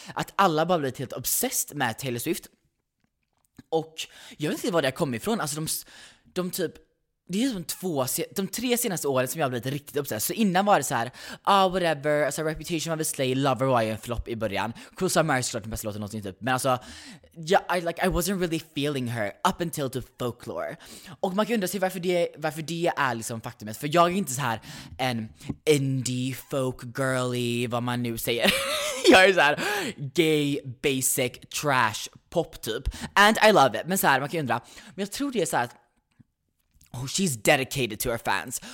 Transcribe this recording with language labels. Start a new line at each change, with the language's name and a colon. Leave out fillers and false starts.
Swedish: Att alla bara blir helt obsessed med Taylor Swift. Och jag vet inte var det kommer ifrån. Alltså de typ det är som de tre senaste åren som jag har blivit riktigt uppsatt. Så innan var det så här, ah whatever, alltså Reputation of a Slay, Lover var ju en flop i början. Cool Summer är den bästa låten någonsin typ. Men alltså,
English: yeah, I wasn't really feeling her up until to Folklore.
Swedish: Och man kan undra sig varför det är liksom faktumet. För jag är inte så här en indie folk girly, vad man nu säger. Jag är så här gay, basic, trash, pop typ.
English: And I love it.
Swedish: Men så här, man kan undra. Men jag tror det är så här att,
English: oh, she's dedicated to her fans.